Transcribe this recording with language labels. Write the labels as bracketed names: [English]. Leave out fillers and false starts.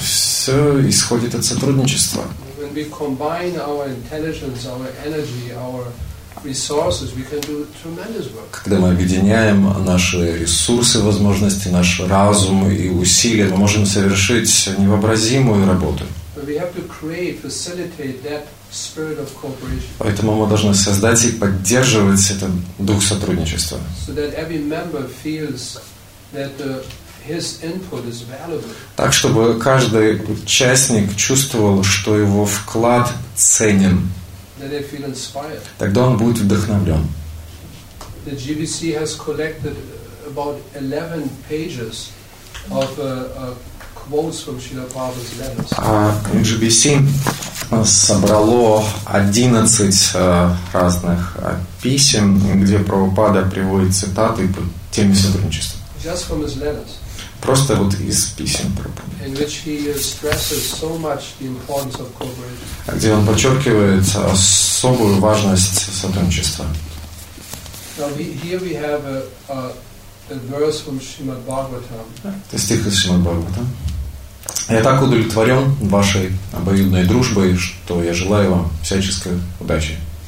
[Russian] Все исходит от сотрудничества. [English] When we combine our intelligence, our energy, our resources, we can do tremendous work. [Russian] Когда мы объединяем наши ресурсы, возможности, наш разум и усилия, мы можем совершить невообразимую работу. [English] But we have to create, facilitate that spirit of cooperation. [Russian] Поэтому мы должны создать и поддерживать этот дух сотрудничества. [English] So that every member feels that the his input is valuable. [Russian] Так, чтобы каждый участник чувствовал, что его вклад ценен. [English] Then they feel inspired. [Russian] Тогда он будет вдохновлен. [English] The GBC has collected about 11 pages of quotes from Srila Prabhupada's letters. [Russian] А GBC собрало 11 разных писем, где Прабхупада приводит цитаты по теме сотрудничества. [English] Just from his letters. [Russian] просто вот из писем проповедь. [English] In which he stresses so much the importance of cooperation. [Russian] Где он подчеркивает особую важность сотрудничества. [English] Now here we have a verse from Shrimad Bhagavatam. [Russian] Это стих из Шримад Бхагаватам. Я так удовлетворен вашей обоюдной дружбой, что я желаю вам всяческой удачи.